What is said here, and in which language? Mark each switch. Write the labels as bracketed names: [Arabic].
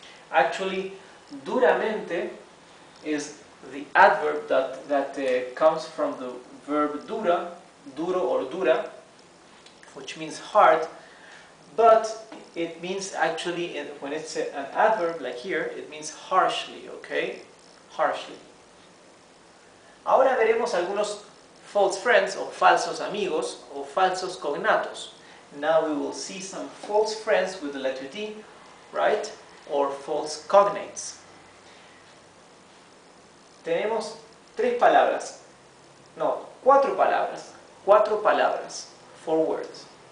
[English] Actually, duramente is the adverb that comes from the verb dura, duro or dura, which means hard, but it means actually, when it's an adverb like here, it means harshly, okay? Harshly. [Spanish] Ahora veremos algunos false friends o falsos amigos o falsos cognatos. [English] Now we will see some false friends with the letter D, right? Or false cognates. [Spanish] Tenemos tres palabras. No, cuatro palabras. Cuatro palabras. [English] Four words.